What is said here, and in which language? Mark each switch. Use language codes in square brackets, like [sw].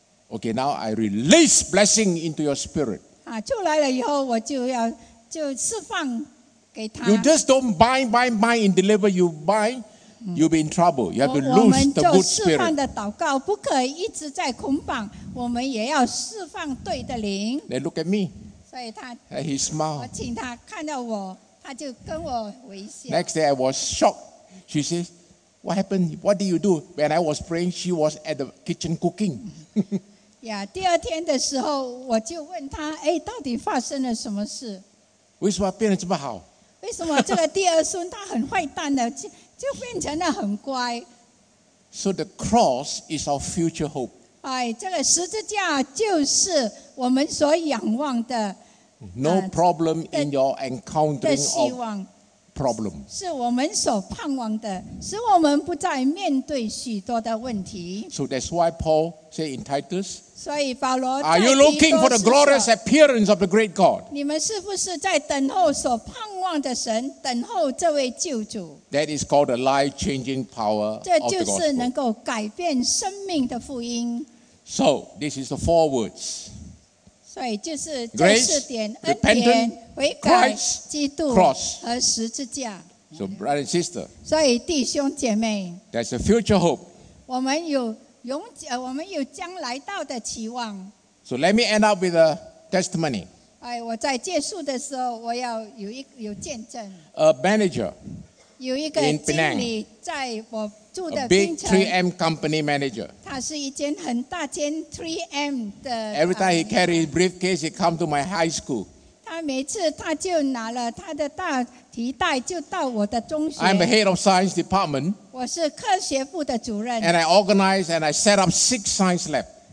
[en] Okay, now I release blessing into your spirit. [zh] 啊，出来了以后我就要就释放给他。 [en] You just don't bind and deliver. You bind, you'll be in trouble. You have to lose the good spirit. [zh] 我们就释放的祷告不可以一直在捆绑，我们也要释放对的灵。 [en] They look at me. [zh] 所以他 [en] and he smiled. [zh] 我请他看到我，他就跟我微笑。 [en] Next day I was shocked. She says. What happened? What did you do? When I was praying, she was at the kitchen cooking. [zh] Yeah, 第二天的时候我就问她，哎，到底发生了什么事？为什么变得这么好？为什么这个第二孙他很坏蛋的，就变成了很乖？ [en] So the cross is our future hope. [zh] 哎，这个十字架就是我们所仰望的。 [en] No problem in your encountering of... Problem. [zh] 是我们所盼望的，使我们不再面对许多的问题。 [en] So that's why Paul said in Titus. [zh] 所以保罗在提多。 [en] Are you looking for the glorious appearance of the great God? [zh] 你们是不是在等候所盼望的神，等候这位救主 [en] ？That is called the life-changing power of the gospel. [zh] 这就是能够改变生命的福音。 [en] So this is the four words. [zh] 所以就是这四点恩典。 [en] Grace, repentance, [zh] 悔改、基督和十字架。 [en] So, brother and sister, [zh] 所以弟兄姐妹 [en] there's a future hope. [zh] 我们有永久，我们有将来到的期望。 [en] So let me end up with a testimony. [zh] 哎，我在结束的时候，我要有一有见证。 [en] A manager. [zh] 有一个经理在我住的 [en] 槟城。A big 3M company manager. [zh] 他是一间很大间 3M 的。 [en] Every time he carries briefcase, he come to my high school. [zh] 他每次他就拿了他的大提袋就到我的中学。 [en] I'm the head of science department. [zh] 我是科学部的主任。 [en] And I organized and I set up 6 science lab.